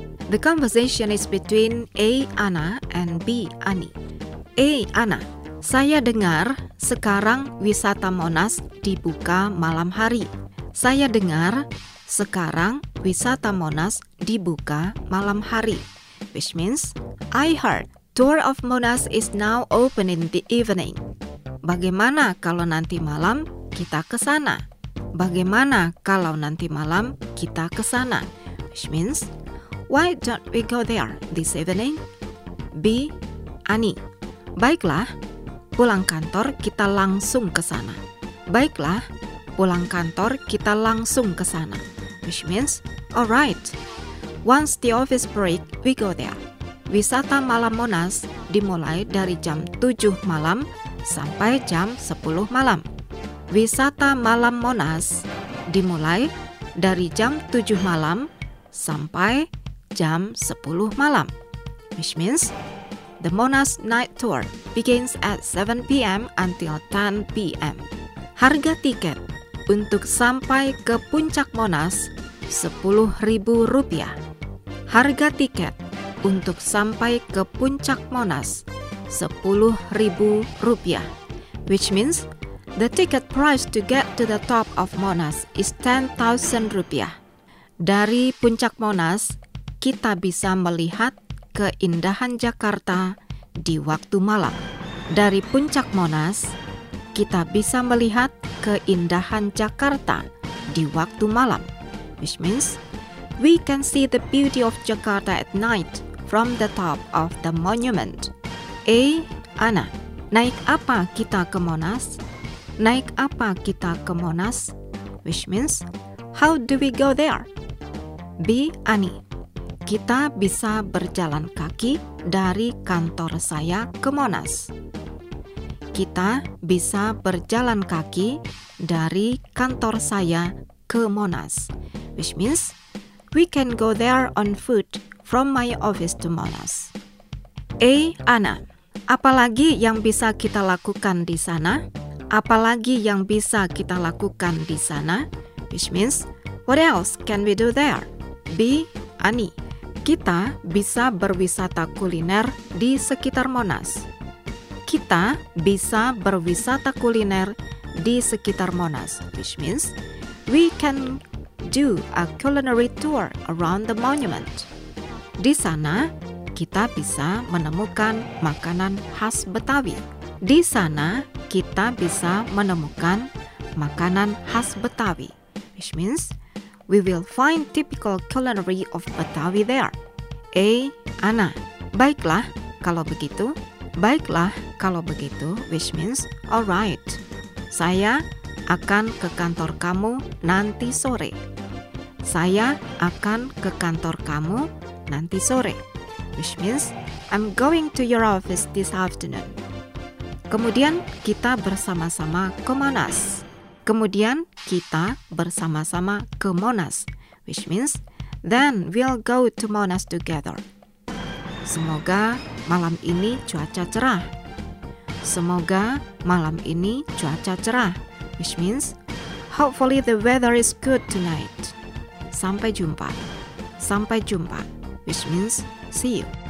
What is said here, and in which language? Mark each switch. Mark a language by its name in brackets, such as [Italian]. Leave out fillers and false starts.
[English] The conversation is between A. Anna and B. Ani. A. [Indonesian] Anna, saya dengar sekarang wisata Monas dibuka malam hari. Saya dengar sekarang wisata Monas dibuka malam hari. [English] Which means, I heard tour of Monas is now open in the evening. [Indonesian] Bagaimana kalau nanti malam kita ke sana? Bagaimana kalau nanti malam kita ke sana? [English] Which means, why don't we go there this evening? B. [Indonesian] Ani, baiklah, pulang kantor kita langsung ke sana. Baiklah, pulang kantor kita langsung ke sana. [English] Which means, alright, once the office break, we go there. [Indonesian] Wisata malam Monas dimulai dari jam 7 malam sampai jam 10 malam. Wisata malam Monas dimulai dari jam 7 malam sampai jam 10 malam. [English] Which means, the Monas night tour begins at 7 p.m. until 10 p.m. [Indonesian] Harga tiket untuk sampai ke puncak Monas Rp10.000. Harga tiket untuk sampai ke puncak Monas Rp10.000. [English] Which means, the ticket price to get to the top of Monas is Rp10.000. [Indonesian] Dari puncak Monas, kita bisa melihat keindahan Jakarta di waktu malam. Dari puncak Monas, kita bisa melihat keindahan Jakarta di waktu malam. [English] Which means, we can see the beauty of Jakarta at night from the top of the monument. A. [Indonesian] Anna, naik apa kita ke Monas? Naik apa kita ke Monas? [English] Which means, how do we go there? B. [Indonesian] Ani, kita bisa berjalan kaki dari kantor saya ke Monas. Kita bisa berjalan kaki dari kantor saya ke Monas. [English] Which means, we can go there on foot from my office to Monas. A. [Indonesian] Anna, apalagi yang bisa kita lakukan di sana? Apalagi yang bisa kita lakukan di sana? [English] Which means, what else can we do there? [Indonesian] B. Ani, kita bisa berwisata kuliner di sekitar Monas. Kita bisa berwisata kuliner di sekitar Monas. [English] Which means, we can do a culinary tour around the monument. [Indonesian] Di sana, kita bisa menemukan makanan khas Betawi. Di sana, kita bisa menemukan makanan khas Betawi. [English] Which means, we will find typical culinary of Betawi there. [Indonesian] A. Anna, baiklah kalau begitu. Baiklah kalau begitu, [English] which means, alright. [Indonesian] Saya akan ke kantor kamu nanti sore. Saya akan ke kantor kamu nanti sore. [English] Which means, I'm going to your office this afternoon. [Indonesian] Kemudian kita bersama-sama ke Monas. Kemudian kita bersama-sama ke Monas. [English] Which means, then we'll go to Monas together. [Indonesian] Semoga malam ini cuaca cerah. Semoga malam ini cuaca cerah. [English] Which means, hopefully the weather is good tonight. [Indonesian] Sampai jumpa. Sampai jumpa. [English] Which means, see you.